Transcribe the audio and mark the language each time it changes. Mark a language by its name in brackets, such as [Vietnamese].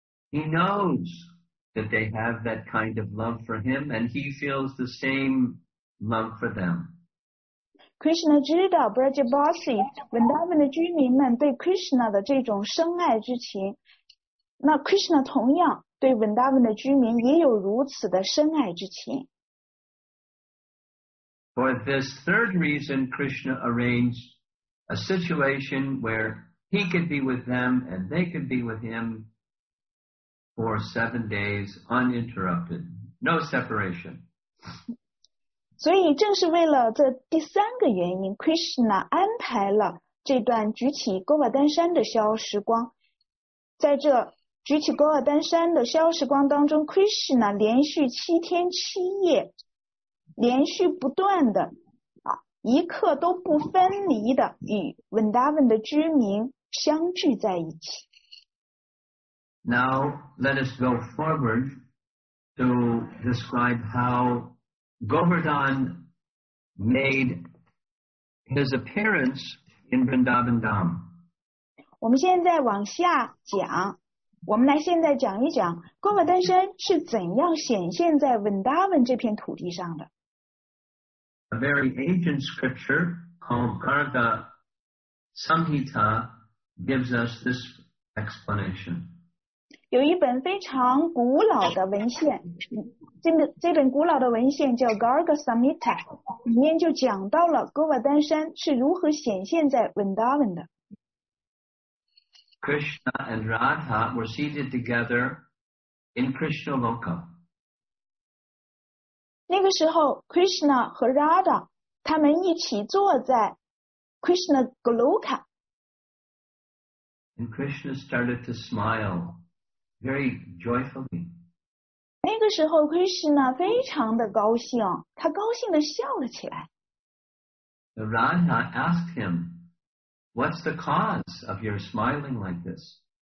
[English] He knows that they have that kind of love for him, and he feels the same love for them. [Chinese] Krishna 知道 Brajabasi Vrindavan 的居民们对 Krishna 的这种深爱之情，那 Krishna 同样对 Vrindavan 的居民也有如此的深爱之情。 [English] For this third reason, Krishna arranged a situation where he could be with them and they could be with him for 7 days uninterrupted, no separation. [Chinese] 所以正是为了这第三个原因， Krishna 安排了这段举起戈瓦丹山的逍遥时光。在这举起戈瓦丹山的逍遥时光当中， Krishna 连续七天七夜连续不断的啊，一刻都不分离的与 Vrindavan 的居民相聚在一起。 [English] Now let us go forward to describe how Govardhan made his appearance in Vrindavan Dham. [Chinese] 我们现在往下讲，我们来现在讲一讲戈瓦丹山是怎样显现在 Vrindavan 这片土地上的。 [English] A very ancient scripture called Garga Samhita gives us this explanation. [Chinese] 有一本非常古老的文献，这本古老的文献叫 Garga Samhita， 里面就讲到了戈瓦丹山是如何显现在 Vrindavan 的。 [English] Krishna and Radha were seated together in Krishna Loka. [Chinese] 那个时候 Krishna 和 Radha 他们一起坐在 Krishna Goloka， [English] and Krishna started to smile very joyfully. [Chinese] 那个时候 Krishna 非常的高兴，他高兴的笑了起来。 [English] Radha asked him, what's the cause of your smiling like this?